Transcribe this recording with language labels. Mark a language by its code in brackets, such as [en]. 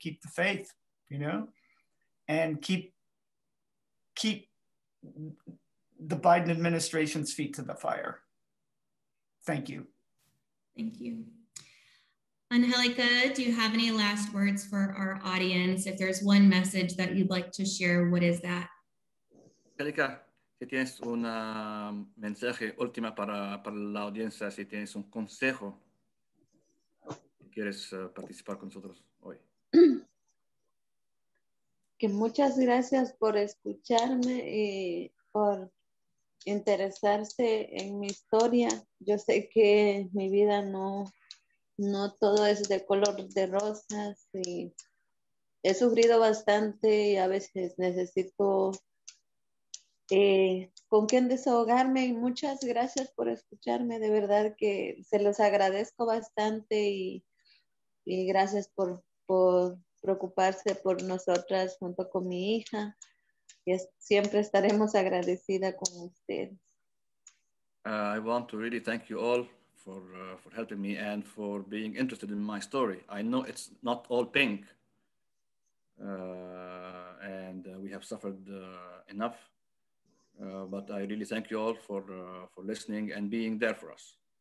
[en] Keep the faith, you know, and keep the Biden administration's feet to the fire. Thank you. Thank you. Angelica, do you have any last words for our audience? If there's one message that you'd like to share, what is that? [es] Angelica, si tienes un mensaje última para la audiencia, si tienes un consejo, quieres participar con nosotros hoy. Que muchas gracias por escucharme y por interesarse en mi historia. Yo sé que mi vida no todo es de color de rosas y he sufrido bastante y a veces necesito con quien desahogarme y muchas gracias por escucharme. De verdad que se los agradezco bastante y gracias por preocuparse por nosotras junto con mi hija. Y siempre estaremos agradecida con ustedes. [en] I want to really thank you all for helping me and for being interested in my story. I know it's not all pink and we have suffered enough. But I really thank you all for listening and being there for us.